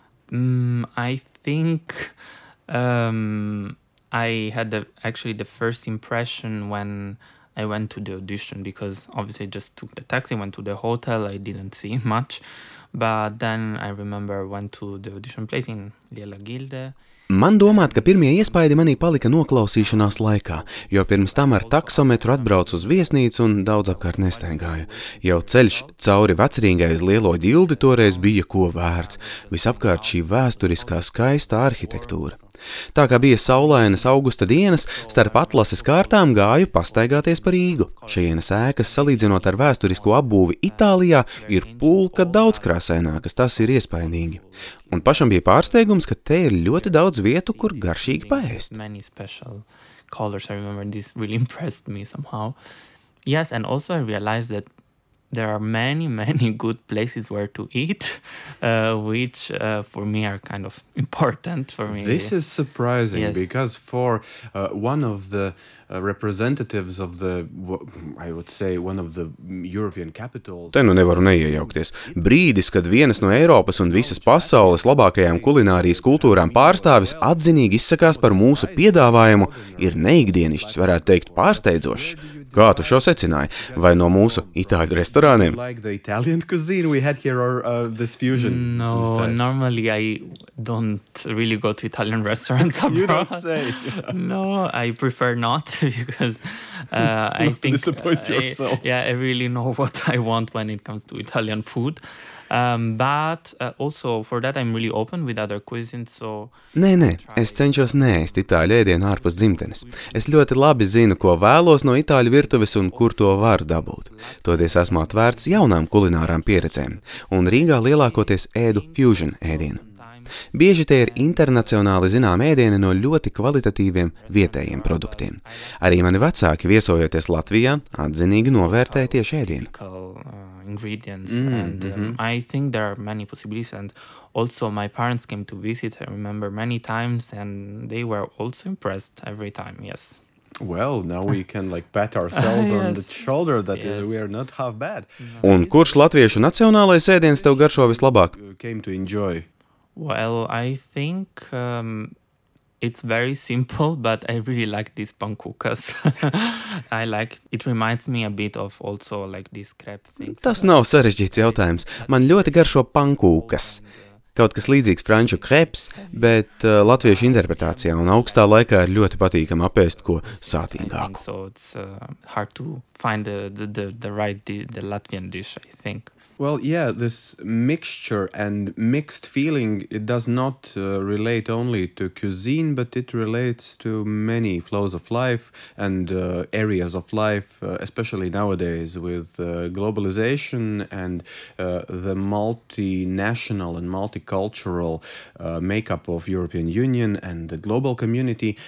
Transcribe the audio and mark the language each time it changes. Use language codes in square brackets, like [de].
[en] I think I had the first impression when I went to the audition, because obviously I just took the taxi, went to the hotel, I didn't see much. But then I remember I went to the audition place in Liela Gilde. [lv] Man domāt, ka pirmie iespaidi manī palika noklausīšanās laikā, jo pirms tam ar taksometru atbraucu uz viesnīcu un daudz apkārt nestaigāju. Jau ceļš cauri vecrīgai uz Lielo Gildi toreiz bija ko vērts. Visapkārt šī vēsturiskā skaistā arhitektūra. Tā kā bija saulainas augusta dienas, starp atlases kārtām gāju pastaigāties par Rīgu. Šajienas ēkas, salīdzinot ar vēsturisko apbūvi Itālijā, ir pulka daudz krāsainākas, tas ir iespaidīgi. Un pašam bija pārsteigums, ka te ir ļoti daudz vietu, kur garšīgi paēst. [en] Many special colors, I remember, this really impressed me somehow. Yes, and also I realized that there are many, many good places where to eat, which for me are kind of important for me. This is surprising, yes. Because for one of the representatives of the, I would say, one of the European capitals... [lv] Te nu nevaru neiejaukties. Brīdis, kad vienas no Eiropas un visas pasaules labākajām kulinārijas kultūrām pārstāvis atzinīgi izsakās par mūsu piedāvājumu, ir neikdienišķis, varētu teikt, pārsteidzošs. Kā tu šo secināji? Vai no mūsu itāļu restorāniem? [en] Like the Italian cuisine we had here or this fusion? No, normally I don't really go to Italian restaurants abroad. You don't say. No, I prefer not because I not think... Not disappoint yourself. I really know what I want when it comes to Italian food. But also for that I'm really open with other cuisines, so... [lv] Nē, nē, es cenšos neēst itāļu ēdienu ārpus dzimtenes. Es ļoti labi zinu, ko vēlos no itāļu virtuves un kur to var dabūt. Toties esmu atvērts jaunām kulinārām pieredzēm, un Rīgā lielākoties ēdu fusion ēdienu. Bieži tie ir internacionāli zinām ēdieni no ļoti kvalitatīviem vietējiem produktiem. Arī mani vecāki, viesojoties Latvijā, atzinīgi novērtēja tieši ēdienu. [en] Ingredients and I think there are many possibilities and also my parents came to visit, I remember many times and they were also impressed every time, yes. Well, now we can like pat ourselves on the shoulder that we are not half bad. [lv] Un kurš latviešu nacionālais ēdiens tev garšo vislabāk? [en] Came to enjoy. Well, I think it's very simple, but I really like these pankūkas. I like, it reminds me a bit of also like this crepe thing. [lv] Tas nav sarežģīts jautājums. Man ļoti garšo pankūkas. Kaut kas līdzīgs franču kreps, bet latviešu interpretācijā un augstā laikā ir ļoti patīkam apēst ko sātīgāku. [en] So it's hard to find the right the Latvian dish, I think. Well, yeah, this mixture and mixed feeling, it does not relate only to cuisine, but it relates to many flows of life and areas of life, especially nowadays with globalization and the multinational and multicultural makeup of European Union and the global community.